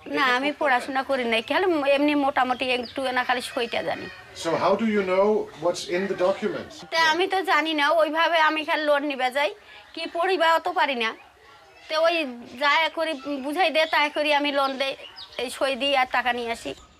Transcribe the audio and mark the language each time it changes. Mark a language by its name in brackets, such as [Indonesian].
[Bangla] No, আমি পড়াশোনা করি না খালি এমনি মোটামুটি একটু না খালি সইটা জানি. [English] So how do you know what's in the documents? [Bangla] তে আমি তো জানি না ওইভাবে আমি খালি লোন নিবা যাই কি পড়িবা অত পারি না তে ওই যায় করি বুঝাই দে তাই করি আমি লোন দে এই সই দি আর টাকা নিয়ে আসি.